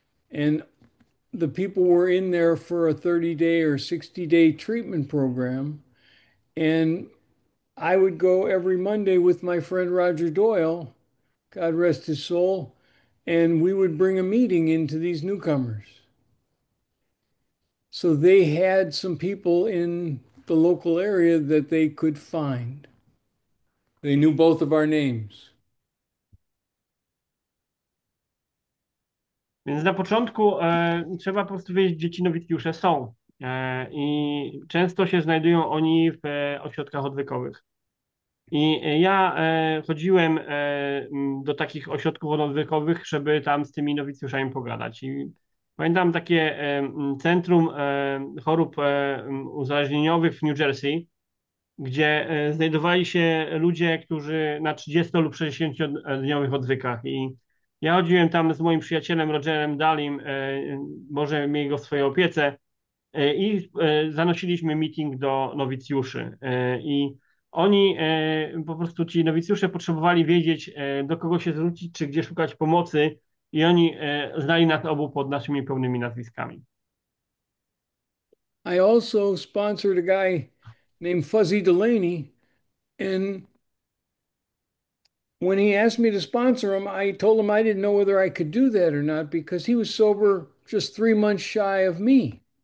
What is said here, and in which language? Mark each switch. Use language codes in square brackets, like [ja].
[en] And the people were in there for a 30-day or 60-day treatment program, and I would go every Monday with my friend Roger Doyle, God rest his soul, and we would bring a meeting into these newcomers. So they had some people in the local area that they could find. They knew both of our names. [pl] Więc na początku trzeba po prostu wiedzieć, gdzie ci nowicjusze są. I często się znajdują oni w ośrodkach odwykowych. I ja chodziłem do takich ośrodków odwykowych, żeby tam z tymi nowicjuszami pogadać. I pamiętam takie centrum chorób uzależnieniowych w New Jersey, gdzie znajdowali się ludzie, którzy na 30 lub 60-dniowych odwykach. I ja chodziłem tam z moim przyjacielem Rogerem Dalim, Boże miej go w swojej opiece, i zanosiliśmy meeting do nowicjuszy. I oni, po prostu ci nowicjusze, potrzebowali wiedzieć, do kogo się zwrócić, czy gdzie szukać pomocy, i oni znali nas obu pod naszymi pełnymi nazwiskami. [en] I also sponsored a guy named Fuzzy Delaney. And when he asked me to sponsor him, I told him I didn't know whether I could do that or not because he was sober just 3 months shy of me.